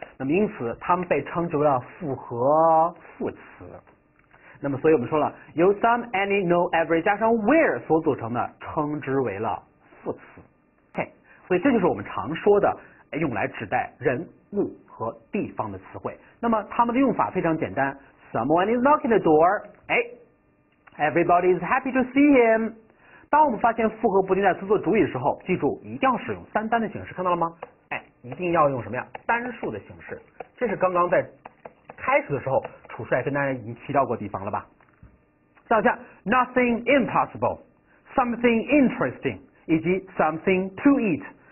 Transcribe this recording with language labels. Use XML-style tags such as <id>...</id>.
<zh>那么因此，它们被称之为复合副词。那么所以我们说了，由 some、 any、 no、 every 加上 where 所组成的，称之为了副词。 OK， 所以这就是我们常说的用来指代人物和地方的词汇。那么它们的用法非常简单。</zh> <en>Someone is knocking the door. Everybody is happy to see him.</en> <zh>当我们发现复合不定代词做主语的时候，记住一定要使用三单的形式，看到了吗？哎，一定要用什么呀？单数的形式。这是刚刚在开始的时候，楚帅跟大家已经提到过地方了吧？</zh> <en>大家 ，nothing impossible， something interesting， 以及 something to eat，</en>